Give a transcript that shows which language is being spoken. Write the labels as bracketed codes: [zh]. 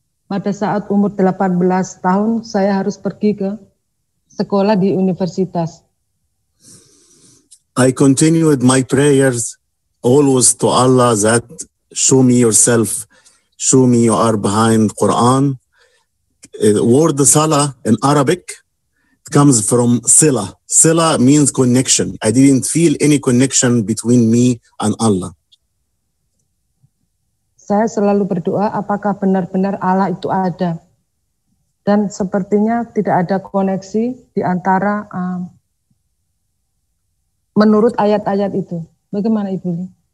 [id] Pada saat umur 18 tahun, saya harus pergi ke sekolah di universitas. [en] I continued my prayers always to Allah that show me yourself, show me you are behind Quran. Word Salah in Arabic comes from Sila. Sila means connection. I didn't feel any connection between me and Allah. [id] Saya selalu berdoa apakah benar-benar Allah itu ada. Dan sepertinya tidak ada koneksi di antara menurut ayat-ayat itu. Bagaimana Ibu?